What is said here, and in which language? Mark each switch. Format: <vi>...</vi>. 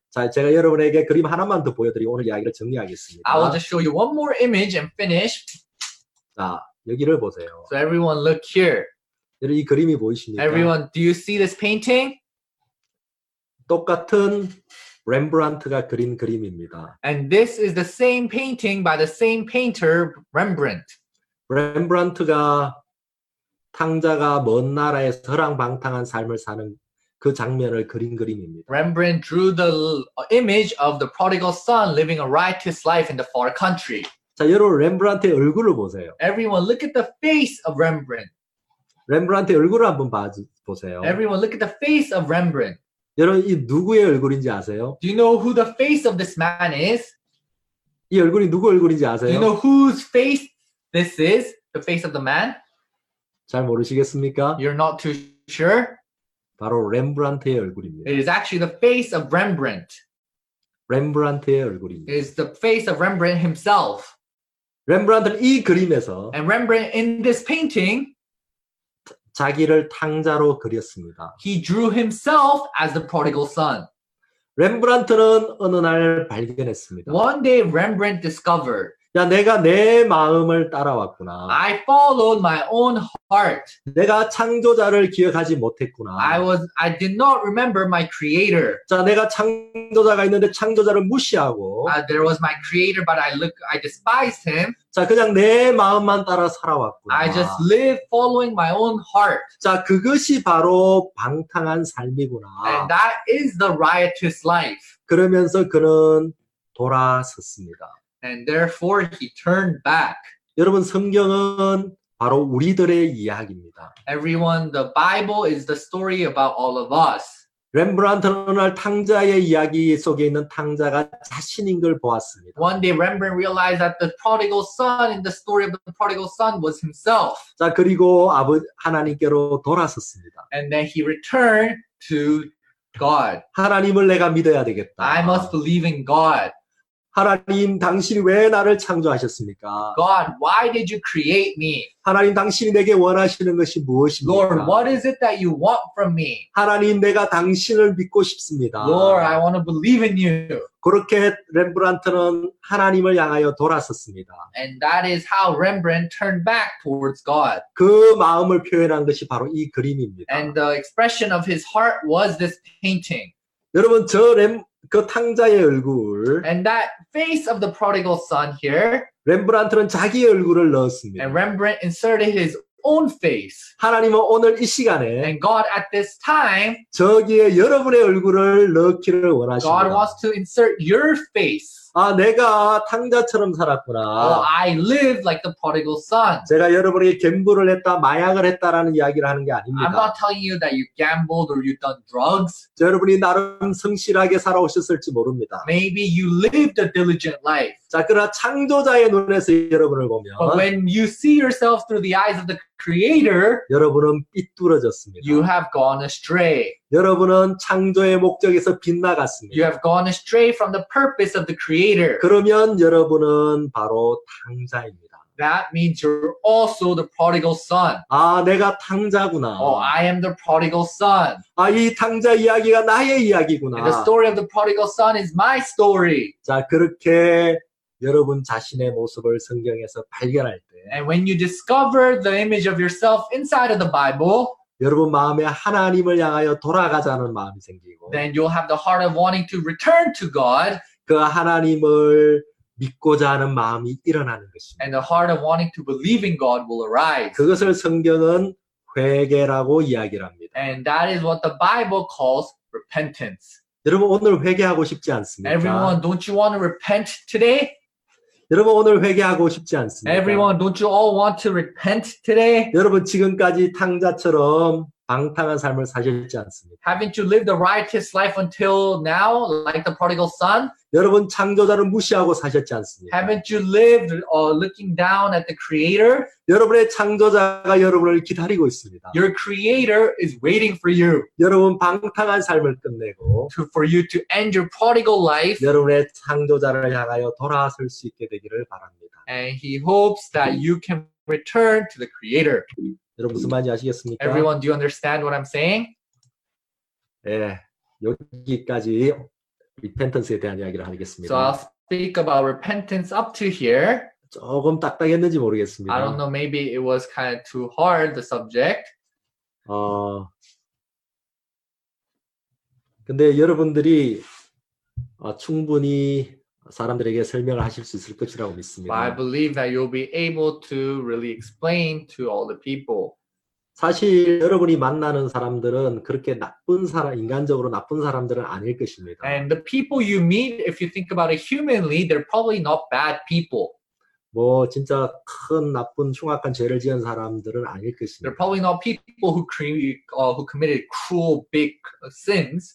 <ko>자, 제가 여러분에게 그림 하나만 더 보여드리고 오늘 이야기를 정리하겠습니다.</ko> <en>I will just show you one more image and finish.</en> <ko>자, 여기를 보세요.</ko> <en>So everyone look here.</en> <ko>여러분 이 그림이 보이십니까?</ko> <en>Everyone, do you see this painting?</en> <ko>똑같은 렘브란트가 그린 그림입니다.</ko> <en>And this is the same painting by the same painter, Rembrandt.</en> <ko>렘브란트가 탕자가 먼 나라에서 허랑방탕한 삶을 사는 그 장면을 그린 그림입니다.</ko> <en>Rembrandt drew the image of the prodigal son living a righteous life in the far country.</en> <ko>자, 여러분 렘브란트의 얼굴을 보세요.</ko> <en>Everyone, look at the face of Rembrandt.</en> <ko>렘브란트의 얼굴을 한번 보세요.</ko> <en>Everyone, look at the face of Rembrandt.</en> <ko>여러분 이 누구의 얼굴인지 아세요?</ko> <en>Do you know who the face of this man is?</en> <ko>이 얼굴이 누구 얼굴인지 아세요?</ko> <en>Do you know whose face this is? The face of the man?</en> <ko>잘 모르시겠습니까?</ko> <en>You're not too sure?</en> <ko>바로 렘브란트의 얼굴입니다.</ko> <en>It is actually the face of Rembrandt.</en> <ko>렘브란트의 얼굴입니다.</ko> <en>It is the face of Rembrandt himself.</en> <ko>렘브란트는 이 그림에서</ko> <en>And Rembrandt in this painting</en> <ko>자기를 탕자로 그렸습니다.</ko> <en>He drew himself as the prodigal son.</en> <ko>렘브란트는 어느 날 발견했습니다.</ko> <en>One day Rembrandt discovered.</en> <ko>야, 내가 내 마음을 따라왔구나.</ko> <en>I followed my own heart.</en> <ko>내가 창조자를 기억하지 못했구나.</ko> <en>I did not remember my creator.</en> <ko>자, 내가 창조자가 있는데 창조자를 무시하고.</ko> <en>There was my creator, but I despised him.</en> <ko>자, 그냥 내 마음만 따라 살아왔구나.</ko> <en>I just live following my own heart.</en> <ko>자, 그것이 바로 방탕한 삶이구나.</ko> <en>And that is the riotous life.</en> <ko>그러면서 그는 돌아섰습니다.</ko> <en>And therefore he turned back.</en> <ko>여러분 성경은 바로 우리들의 이야기입니다.</ko> <en>Everyone, the Bible is the story about all of us.</en> <ko>렘브란트는 어느 날 탕자의 이야기 속에 있는 탕자가 자신인 걸 보았습니다.</ko> <en>One day Rembrandt realized that the prodigal son in the story of the prodigal son was himself.</en> <ko>자, 그리고 하나님께로 돌아섰습니다.</ko> <en>And then he returned to God.</en> <ko>하나님을 내가 믿어야 되겠다.</ko> <en>I must believe in God.</en> <ko>하나님, 당신이 왜 나를 창조하셨습니까?</ko> <en>God, why did you create me?</en> <ko>하나님, 당신이 내게 원하시는 것이 무엇입니까?</ko> <en>Lord, what is it that you want from me?</en> <ko>하나님, 내가 당신을 믿고 싶습니다.</ko> <en>Lord, I want to believe in you.</en> <ko>그렇게 렘브란트는 하나님을 향하여 돌아섰습니다.</ko> <en>And that is how Rembrandt turned back towards God.</en> <ko>그 마음을 표현한 것이 바로 이 그림입니다.</ko> <en>And the expression of his heart was this painting.</en> <ko>여러분, 저 그 탕자의 얼굴.</ko> <en>And that face of the prodigal son here.</en> <ko>렘브란트는 자기 얼굴을 넣었습니다.</ko> <en>And Rembrandt inserted his own face.</en> <ko>하나님은 오늘 이 시간에.</ko> <en>And God at this time.</en> <ko>저기에 여러분의 얼굴을 넣기를 원하십니다.</ko> <en>God wants to insert your face.</en> <ko>아, 내가 탕자처럼 살았구나.</ko> <en>Oh, I live like the prodigal son.</en> <ko>제가 여러분에게 갬블을 했다, 마약을 했다라는 이야기를 하는 게 아닙니다.</ko> <en>I'm not telling you that you gambled or you've done drugs.</en> <ko>저 여러분이 나름 성실하게 살아오셨을지 모릅니다.</ko> <en>Maybe you lived a diligent life.</en> <ko>자, 그러나 창조자의 눈에서 여러분을 보면</ko> <en>But when you see yourself through the eyes of the creator,</en> <ko>여러분은 삐뚤어졌습니다.</ko> <en>You have gone astray.</en> <ko>여러분은 창조의 목적에서 빗나갔습니다.</ko> <en>You have gone astray from the purpose of the creator.</en> <ko>그러면 여러분은 바로 탕자입니다.</ko> <en>That means you're also the prodigal son.</en> <ko>아, 내가 탕자구나.</ko> <en>Oh, I am the prodigal son.</en> <ko>아, 이 탕자 이야기가 나의 이야기구나.</ko> <en>And the story of the prodigal son is my story.</en> <ko>자, 그렇게 여러분 자신의 모습을 성경에서 발견할 때</ko> <en>And when you discover the image of yourself inside of the Bible,</en> <ko>여러분 마음에 하나님을 향하여 돌아가자는 마음이 생기고</ko> <en>Then you'll have the heart of wanting to return to God.</en> <ko>그 하나님을 믿고자 하는 마음이 일어나는 것입니다.</ko> <en>And the heart of wanting to believe in God will arise.</en> <ko>그것을 성경은 회개라고 이야기를 합니다.</ko> <en>And that is what the Bible calls repentance.</en> <ko>여러분 오늘 회개하고 싶지 않습니까?</ko> <en>Everyone, don't you want to repent today?</en> <ko>여러분 오늘 회개하고 싶지 않습니까?</ko> <en>Everyone, don't you all want to repent today?</en> <ko>여러분 지금까지 탕자처럼 방탕한 삶을 사셨지 않습니까?</ko> <en>Haven't you lived a riotous life until now, like the prodigal son?</en> <ko>여러분 창조자를 무시하고 사셨지 않습니까?</ko> <en>Haven't you lived looking down at the creator?</en> <ko>여러분의 창조자가 여러분을 기다리고 있습니다.</ko> <en>Your creator is waiting for you.</en> <ko>여러분 방탕한 삶을 끝내고</ko> <en>for you to end your prodigal life.</en> <ko>여러분의 창조자를 향하여 돌아설 수 있게 되기를 바랍니다.</ko> <en>And he hopes that you can return to the creator.</en> <ko>여러분 무슨 말인지 아시겠습니까?</ko> <en>Everyone, do you understand what I'm saying?</en> <ko>예, 여기까지 repentance에 대한 이야기를 하겠습니다.</ko> <en>So I'll speak about repentance up to here.</en> <ko>조금 딱딱했는지 모르겠습니다.</ko> <en>I don't know, maybe it was kind of too hard, the subject.</en> <ko>근데 여러분들이 충분히 사람들에게 설명을 하실 수 있을 것이라고 믿습니다.</ko> <en>I believe that you'll be able to really explain to all the people.</en> <ko>사실 여러분이 만나는 사람들은 그렇게 나쁜 사람, 인간적으로 나쁜 사람들은 아닐 것입니다.</ko> <en>And the people you meet, if you think about it humanly, they're probably not bad people.</en> <ko>뭐 진짜 큰 나쁜 흉악한 죄를 지은 사람들은 아닐</ko> <en>They're</en> <ko>것입니다.</ko> <en>probably not people who committed cruel, big sins.</en>